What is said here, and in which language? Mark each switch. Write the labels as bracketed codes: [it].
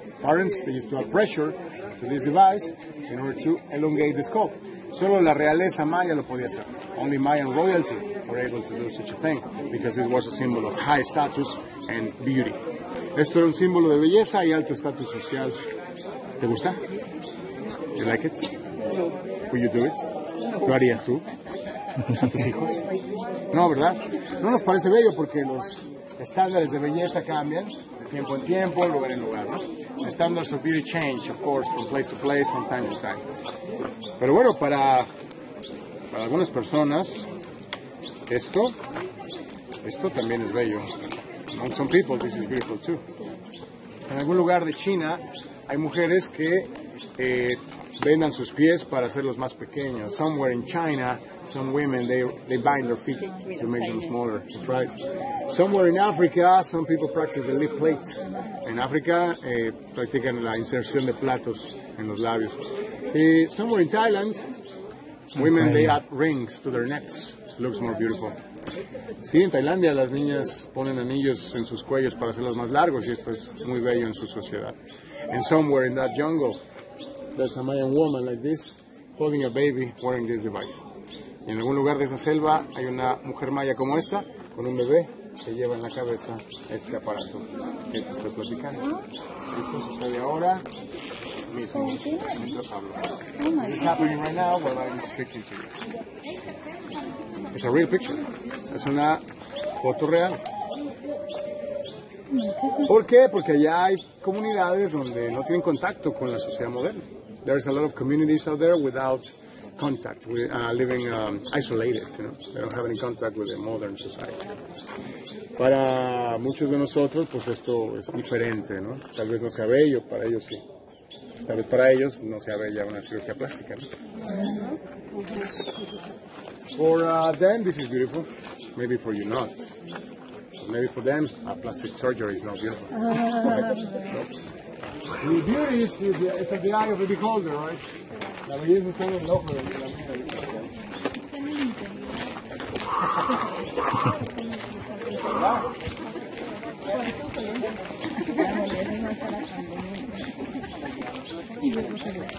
[en] Parents, they used to add pressure to this device in order to elongate the skull. [es] Solo la realeza maya lo podía hacer. [en] Only Mayan royalty were able to do such a thing because this was a symbol of high status and beauty. [es] Esto era un símbolo de belleza y alto estatus social. ¿Te gusta? [en] You like it? [es] No. [en] Will you do it? No. [es] ¿Lo harías tú? ¿A tus hijos? No, ¿verdad? No nos parece bello porque los estándares de belleza cambian de tiempo en tiempo, lugar en lugar, ¿no? [en] Standards of beauty change, of course, from place to place, from time to time. [es] Pero bueno, para algunas personas, esto también es bello. [en] Among some people, this is beautiful too. [es] En algún lugar de China, hay mujeres que vendan sus pies para hacerlos más pequeños. [en] Somewhere in China, some women, they bind their feet to make them smaller. That's right. Somewhere in Africa, some people practice the lip plate. [es] En África, practican la inserción de platos en los labios. [en] Somewhere in Thailand, women, they add rings to their necks. Looks more beautiful. [es] Sí, en Tailandia las niñas ponen anillos en sus cuellos para hacerlos más largos y esto es muy bello en su sociedad. [en] And somewhere in that jungle, there's a Mayan woman like this, holding a baby wearing this device. [es] Y en algún lugar de esa selva hay una mujer maya como esta, con un bebé que lleva en la cabeza este aparato que te estoy platicando. Esto sucede ahora mismo, mientras hablo. [en] This is happening right now while I'm speaking to you. It's a real picture. [es] Es una foto real. ¿Por qué? Porque allá hay comunidades donde no tienen contacto con la sociedad moderna. [en] There is a lot of communities out there without contact, living isolated, you know. They don't have any contact with the modern society. [es] Para muchos de nosotros, pues esto es diferente, ¿no? Tal vez no sea bello, para ellos sí. Tal vez para ellos no sea bella una cirugía plástica, ¿no? [en] For them, this is beautiful. Maybe for you not. Maybe for them, a plastic surgery is not beautiful. The beauty is at the eye of the beholder, right? [es] La belleza está en el ojo de la mira.